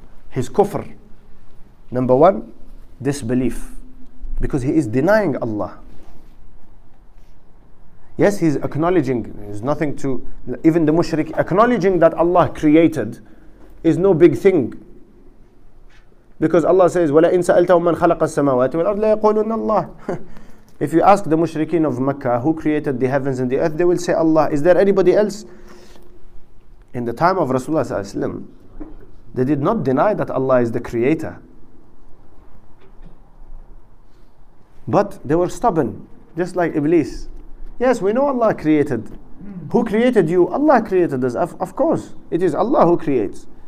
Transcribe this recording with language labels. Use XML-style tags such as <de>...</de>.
<en>His kufr. Number one, disbelief. Because he is denying Allah. Yes, he's acknowledging, there's nothing to, even the mushrik, acknowledging that Allah created is no big thing. Because Allah says,</en> <ar>وَلَا إِن سَأَلْتَهُمْ مَنْ خَلَقَ السَّمَاوَاتِ وَالْأَرْضِ لَيَقُولُنَّ اللَّهِ.</ar> <en>If you ask the mushrikeen of Mecca, who created the heavens and the earth, they will say Allah. Is there anybody else? In the time of Rasulullah sallallahu alayhi wa sallam, they did not deny that Allah is the creator. But they were stubborn, just like Iblis. Yes, we know Allah created. Who created you? Allah created us, of course. It is Allah who creates.</en>